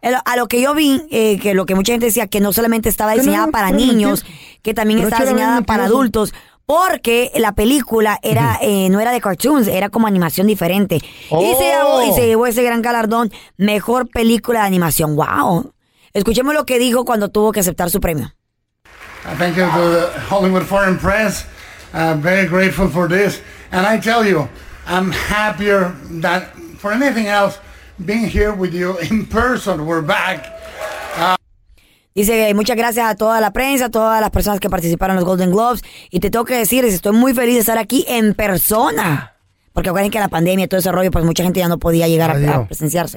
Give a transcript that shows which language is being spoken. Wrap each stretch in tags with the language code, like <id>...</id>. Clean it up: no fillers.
<es>Pero a lo que yo vi, que lo que mucha gente decía, que no solamente estaba diseñada para niños, que también estaba diseñada para adultos, porque la película era no era de cartoons, era como animación diferente. Oh. Y se llevó ese gran galardón, mejor película de animación. ¡Wow! Escuchemos lo que dijo cuando tuvo que aceptar su premio.</es> <en>Thank you to the Hollywood Foreign Press. I'm very grateful for this. And I tell you, I'm happier than for anything else. Being here with you in person, we're back.</en> <es>Dice, muchas gracias a toda la prensa, a todas las personas que participaron en los Golden Globes. Y te tengo que decir, estoy muy feliz de estar aquí en persona. Porque acuérdense que la pandemia y todo ese rollo, pues mucha gente ya no podía llegar a presenciarse.</es>